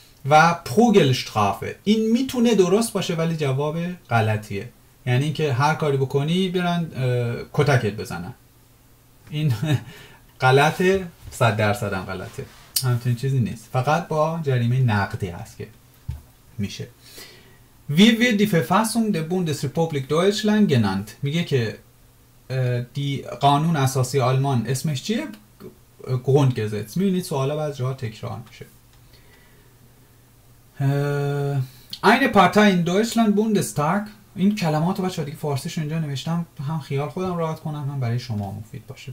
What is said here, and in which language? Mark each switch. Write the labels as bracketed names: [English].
[Persian] و پروگلشترافه، این میتونه درست باشه ولی جواب غلطیه، یعنی اینکه هر کاری بکنی برن کتکت بزنن، این غلطه، 100% هم غلطه، همچین چیزی نیست، فقط با جریمه نقدی هست که میشه. [German] Wie wird die Verfassung der Bundesrepublik Deutschland genannt؟ [Persian] میگه که دی قانون اساسی آلمان اسمش چیه؟ [German] Grundgesetz. [Persian] میبینید سوالا بعضی جاها تکرار میشه. [German] Eine Partei in Deutschland Bundestag، [Persian] این کلمات رو بچه‌ها دیگه فارسیش اینجا نوشتم، هم خیال خودم راحت کنم هم برای شما مفید باشه.